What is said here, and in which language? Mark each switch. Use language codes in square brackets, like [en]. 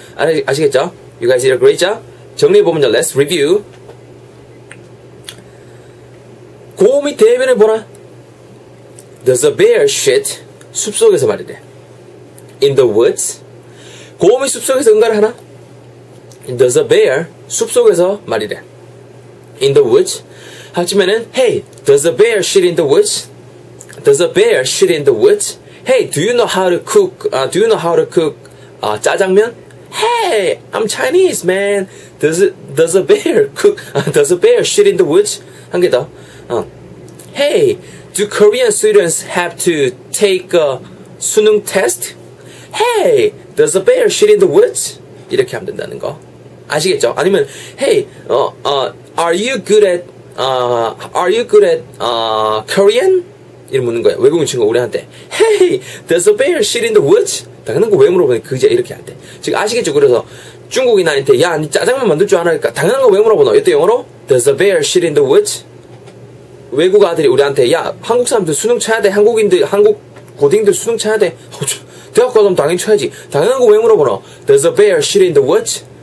[ko] 아시겠죠? [en] You guys did a great job. [ko] 정리해보면, [en] let's review. [ko] 곰이 대변을 보나? [en] There's a bear shit. [ko] 숲속에서 말이 돼. [en] In the woods. [ko] 곰이 숲속에서 응가를 하나? [en] There's a bear. [ko] 숲속에서 말이 돼. [en] In the woods. [ko] 하지만은 [en] Hey, does a bear shit in the woods? Does a bear shit in the woods? Hey, do you know how to cook? Do you know how to cook? 짜장면? Hey, I'm Chinese, man. Does a bear cook? Does a bear shit in the woods? [ko] 한 개 더. [en] Hey, do Korean students have to take a 수능 test? Hey, does a bear shit in the woods? [ko] 이렇게 하면 된다는 거. 아시겠죠? 아니면 [en] Hey, are you good at are you good at, Korean? [ko] 이렇게 묻는 거야. 외국인 친구, 우리한테. [en] Hey, there's a bear shit in the woods? [ko] 당연한 거 왜 물어보니? 그제 이렇게 할 때. 지금 아시겠죠? 그래서 중국인한테, 야, 니 짜장면 만들 줄 아나니까 당연한 거 왜 물어보노? 이때 영어로, [en] there's a bear shit in the woods? [ko] 외국 아들이 우리한테, 야, 한국 사람들 수능 쳐야 돼. 한국인들, 한국 고딩들 수능 쳐야 돼. 대학 가서 당연히 쳐야지. 당연한 거 왜 물어보노? [en] There's a bear shit in the woods?